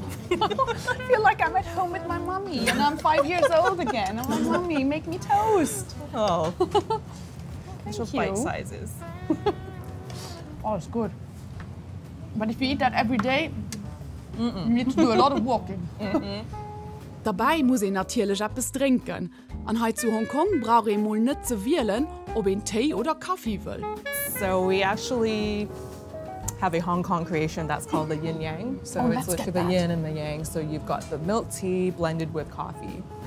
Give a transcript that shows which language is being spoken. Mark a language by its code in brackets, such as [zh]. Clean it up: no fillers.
[en] I feel like I'm at home with my mommy and I'm 5 years old again. I'm like, mommy, make me toast. Oh. Thank you. Bite sizes. Oh, it's good. But if you eat that every day, you need to do a lot of walking. [de] Dabei muss ich natürlich etwas trinken. Und heute zu Hongkong brauche ich mal nicht zu wählen, ob ich einen Tee oder Kaffee will. [en] So we actually have a Hong Kong creation that's called the yin yang. So oh, it's literally the yin and the yang. So you've got the milk tea blended with coffee.